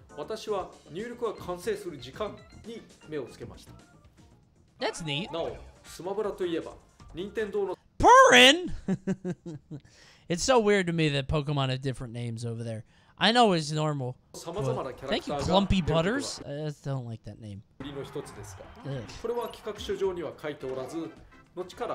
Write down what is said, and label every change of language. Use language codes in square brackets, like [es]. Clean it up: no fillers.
[ja] 私は入力が完成する時間に目をつけました。 [en] That's neat. [ja] なお、スマブラといえば、任天堂の。 [en] Purin! It's so weird to me that Pokemon have different names over there. I know it's normal. Thank you, Clumpy Butters. I don't like that name. [ja] の一つですが、これは企画書上には書いておらず、後から。